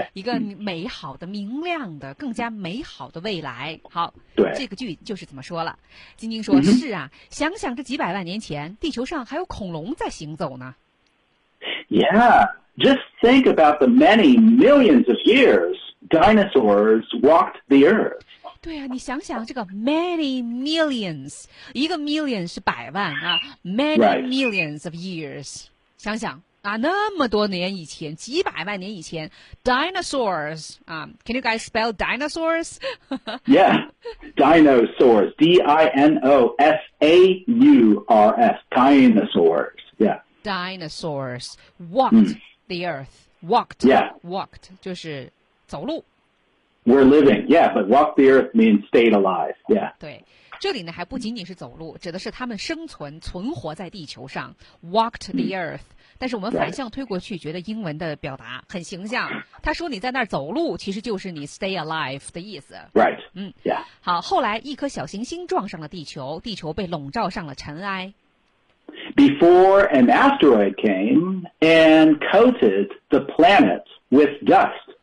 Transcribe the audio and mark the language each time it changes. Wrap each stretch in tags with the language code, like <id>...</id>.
<zh>一个美好的明亮的更加美好的未来好对这个句就是怎么说了晶晶说、是啊想想这几百万年前地球上还有恐龙在行走呢</zh> <en>yeah just think about the many millions of years dinosaurs walked the earth</en> <zh>对啊你想想这个 many millions, 一个 million 是百万啊 many、</zh> <en>right.</en> <zh>millions of years, 想想啊那么多年以前几百万年以前 dinosaurs,、 can you guys spell dinosaurs?</zh> <en>yeah, dinosaurs, D-I-N-O-S-A-U-R-S, dinosaurs, yeah. Dinosaurs walked、the earth, walked,、walked, 就是走路。 We're living, yeah, but walk the earth means stayed alive, yeah.</en> <zh>对，这里呢还不仅仅是走路，指的是他们生存、存活在地球上 ， walked the earth.、但是我们反向推过去，觉得英文的表达很形象。他说你在那儿走路，其实就是你 stay alive 的意思。</zh> <en>Right.</en> <zh>好，后来一颗小行星撞上了地球，地球被笼罩上了尘埃。</zh> <en>before an asteroid came and coated the planet with dust.</en>